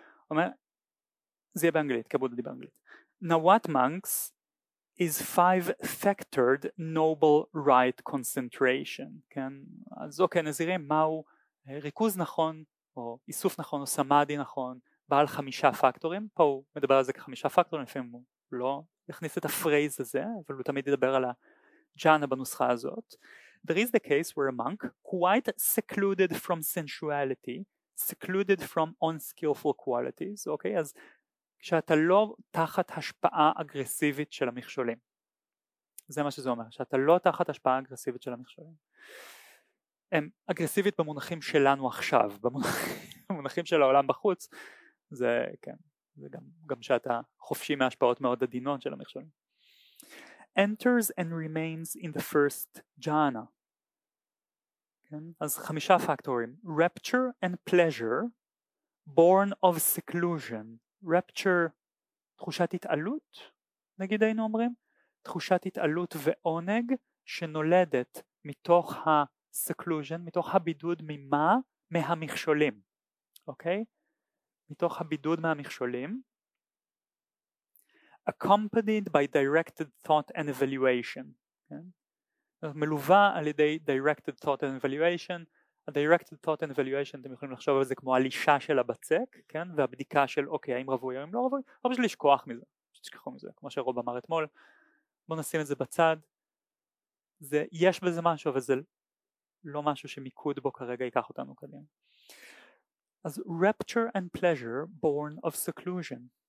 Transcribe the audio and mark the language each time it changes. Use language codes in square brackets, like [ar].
[he] אומר, זה יהיה באנגלית, כבודה די באנגלית. [en] Now what monks is five-factored noble right concentration? [he] כן? אז אוקיי, נזירים, מהו ריכוז נכון, או איסוף נכון, או סמאדי נכון, בעל חמישה פקטורים, פה הוא מדבר על זה כחמישה פקטורים, לפעמים הוא לא הכניס את הפרייז הזה, אבל הוא תמיד ידבר על הג'אנה בנוסחה הזאת. [en] There is the case where a monk, quite secluded from sensuality, secluded from unskillful qualities, [he] אוקיי, אז כשאתה לא תחת השפעה אגרסיבית של המכשולים. זה מה שזה אומר, שאתה לא תחת השפעה אגרסיבית של המכשולים. אגרסיבית במונחים שלנו עכשיו, במונחים של העולם בחוץ, זה כן, זה גם שאתה חופשי מהשפעות מאוד עדינות של המכשולים. [en] Enters and remains in the first jhana. [he] כן? אז חמישה פקטורים. [en] Rapture and pleasure, born of seclusion. [he] Rapture, תחושת התעלות, נגיד היינו אומרים, תחושת התעלות ועונג שנולדת מתוך הסקלוז'ן, מתוך הבידוד ממה? מהמכשולים, אוקיי? מתוך הבידוד מהמכשולים. [en] Accompanied by directed thought and evaluation. [he] מלווה על ידי [en] directed thought and evaluation. [he] ה- [en] directed thought and evaluation, [he] אתם יכולים לחשוב על זה כמו הלישה של הבצק, כן? והבדיקה של אוקיי, האם רבוי או אם לא רבוי, או פשוט לשכוח מזה, פשוט לשכוח מזה, כמו שרוב אמר אתמול, בואו נשים את זה בצד, זה, יש בזה משהו, אבל זה לא משהו שמיקוד בו כרגע ייקח אותנו קדימה. אז [en] rapture and pleasure born of seclusion.